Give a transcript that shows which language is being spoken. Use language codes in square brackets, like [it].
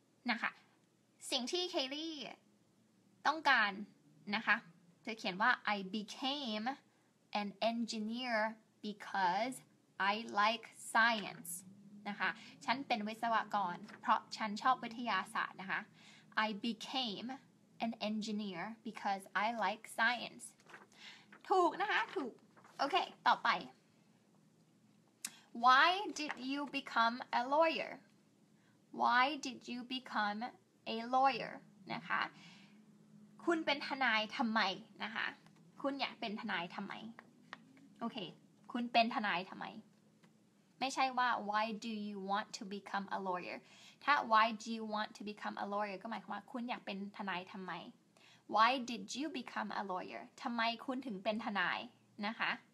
[th] นะคะสิ่งที่เคลลี่ต้องการนะคะจะเขียนว่า [en] I became an engineer because I like science. [th] นะคะฉันเป็นวิศวกรเพราะฉันชอบวิทยาศาสตร์นะคะ [en] I became an engineer because I like science. [th] ถูกนะคะถูกOkay, ต่อไป. [en] Why did you become a lawyer? Why did you become a lawyer? [th] นะคะ คุณเป็นทนายทำไมนะคะ คุณอยากเป็นทนายทำไม Okay, คุณเป็นทนายทำไม [en] ม่ใช่ว่า why do you want to become a lawyer ถ้า why do you want to become a lawyer [th] ก็หมายความว่าคุณอยากเป็นทนายทำไม [en] why did you become a lawyer [th] ทำไมคุณถึงเป็นทนายนะคะ